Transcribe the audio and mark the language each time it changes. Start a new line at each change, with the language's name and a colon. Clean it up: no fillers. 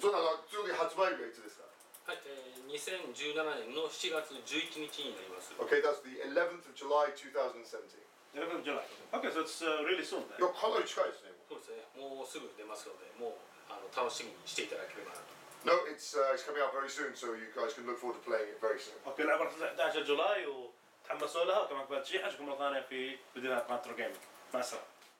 Japanese: そうなの、次発売がいつですか？はい、2017年の7月11日になります。
English: Okay, that's the 11th of July 2017. 11th of July. Okay, so it's really soon then.
Japanese: いや、かなり近いですね。そうですね。もうすぐ出ますので、もう楽しみにしていただければなと。
English: No, it's coming out very soon, so you guys can look forward to playing it very soon.
Arabic: Okay, العبارة 11 July وتحمسوا لها وكمان بتشيحة شكرا مرة ثانية في بدينا قناة ترو جيمينج. مع السلامة.